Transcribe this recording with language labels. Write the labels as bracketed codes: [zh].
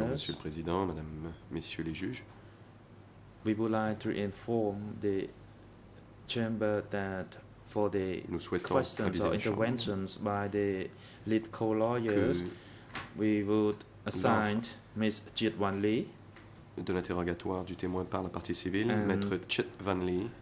[fr] Bonjour, Monsieur le Président, Madame, Messieurs les juges. [en] We would like to inform the chamber that for the questions or interventions by the lead co-lawyers, we would assign Ms. Chit Van Lee [fr] de l'interrogatoire du témoin par la partie civile, Maître Chit Van Lee,